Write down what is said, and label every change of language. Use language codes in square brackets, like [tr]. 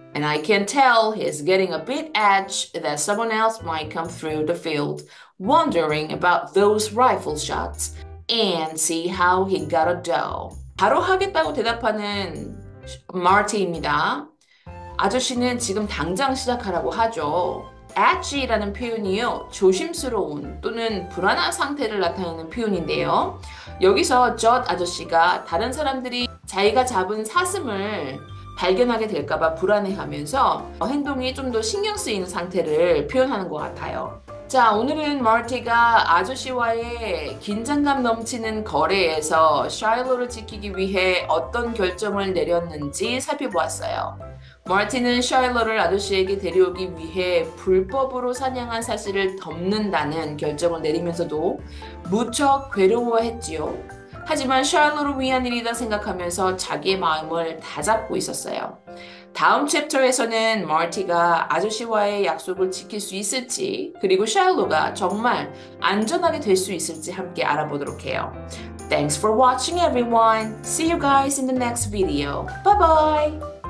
[en] And I can tell he's getting a bit edge that someone else might come through the field, wondering about those rifle shots. And see how he got a doe. [ko] 바로 하겠다고 대답하는 마티입니다. 아저씨는 지금 당장 시작하라고 하죠. Edgy라는 표현이요. 조심스러운 또는 불안한 상태를 나타내는 표현인데요. 여기서 Judd 아저씨가 다른 사람들이 자기가 잡은 사슴을 발견하게 될까봐 불안해하면서 행동이 좀더 신경 쓰이는 상태를 표현하는 것 같아요. 자, 오늘은 마티가 아저씨와의 긴장감 넘치는 거래에서 샬롯를 지키기 위해 어떤 결정을 내렸는지 살펴보았어요. 마티는 샬롯를 아저씨에게 데려오기 위해 불법으로 사냥한 사실을 덮는다는 결정을 내리면서도 무척 괴로워했지요. 하지만 샬롯를 위한 일이다 생각하면서 자기의 마음을 다잡고 있었어요. 다음 챕터에서는 마티가 아저씨와의 약속을 지킬 수 있을지, 그리고 샬로가 정말 안전하게 될수 있을지 함께 알아보도록 해요. [en] Thanks for watching, everyone. See you guys in the next video. Bye bye.